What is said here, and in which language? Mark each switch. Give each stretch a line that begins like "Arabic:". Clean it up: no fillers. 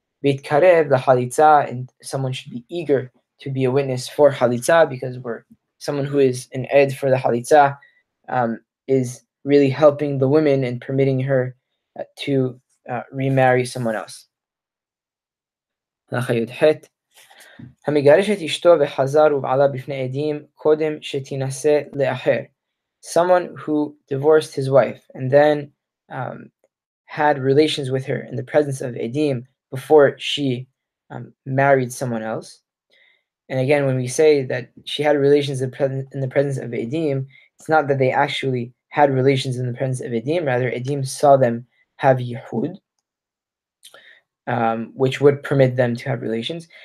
Hebrew: V'yitkarev l'halitza,
English: and someone should be eager to be a witness for halitza, because we're someone who is an ed for the halitza is really helping the woman and permitting her to remarry someone else.
Hebrew: המגרש את אשתו וחזר ובעלה בפני עדים קודם שתינשא לאחר.
English: Someone who divorced his wife and then had relations with her in the presence of Edim before she married someone else. And again, when we say that she had relations in the presence of Edim, it's not that they actually had relations in the presence of Edim, rather Edim saw them have Yehud, which would permit them to have relations.